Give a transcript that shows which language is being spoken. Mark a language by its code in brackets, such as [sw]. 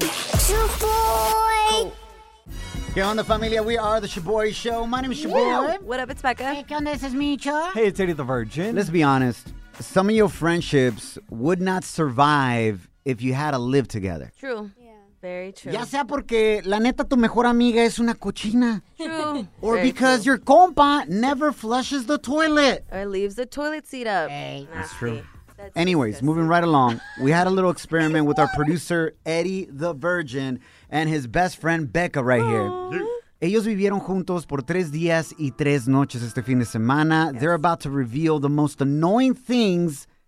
[en] Shaboy. [es] Qué onda, familia? [en] We are the Shaboy Show. My name is Shaboy. What up? It's Becca. Hey, [es] qué onda? [en] This is Micho. Hey, it's Eddie the Virgin. Let's be honest. Some of your friendships would not survive if you had to live together. True. Very true. [es] Ya sea porque la neta tu mejor amiga es una cochina. [en] True. Or because your compa never flushes the toilet. Or leaves the toilet seat up. Hey. That's true. Anyways, moving right along. We had a little experiment with our producer, Eddie the Virgin, and his best friend, Becca, right here. [es] Ellos vivieron juntos por 3 días y 3 noches este fin de semana. [en] Yes. They're about to reveal the most annoying things